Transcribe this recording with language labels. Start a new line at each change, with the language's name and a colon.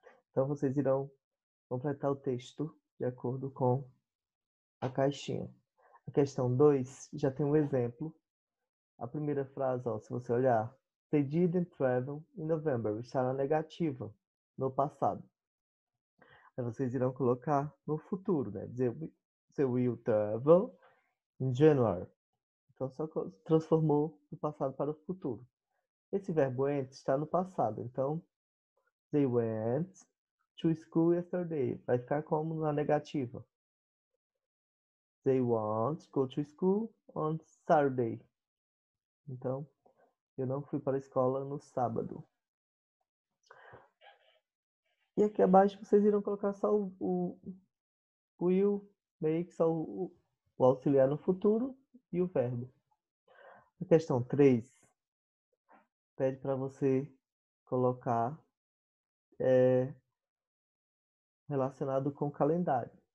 Portuguese: Então vocês irão completar o texto de acordo com a caixinha. A questão 2 já tem um exemplo. A primeira frase, ó, se você olhar,
English: they didn't travel in November,
Portuguese: está na negativa, no passado. Aí vocês irão colocar no futuro, né?
English: Dizer, they will travel in January.
Portuguese: Então só transformou do passado para o futuro. Esse verbo went está no passado, então
English: they went to school yesterday.
Portuguese: Vai ficar como na negativa.
English: They won't go to school on Saturday.
Portuguese: Então, eu não fui para a escola no sábado. E aqui abaixo vocês irão colocar só o will, make, só o auxiliar no futuro e o verbo. A questão 3 pede para você colocar relacionado com o calendário.